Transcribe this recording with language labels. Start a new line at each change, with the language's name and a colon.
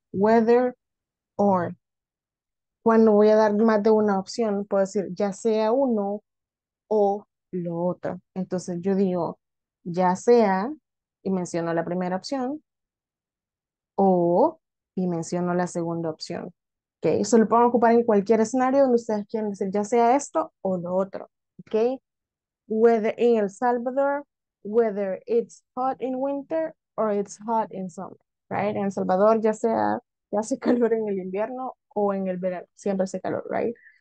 English: Whether or.
Spanish: Cuando voy a dar más de una opción, puedo decir ya sea uno o lo otro. Entonces yo digo ya sea y menciono la primera opción o y menciono la segunda opción. Ok, eso lo pueden ocupar en cualquier escenario donde ustedes quieran decir ya sea esto o lo otro. Ok,
English: whether in El Salvador, whether it's hot in winter or it's hot in summer, right?
Spanish: En El Salvador ya sea, ya hace calor en el invierno o en el verano, siempre hace calor, right?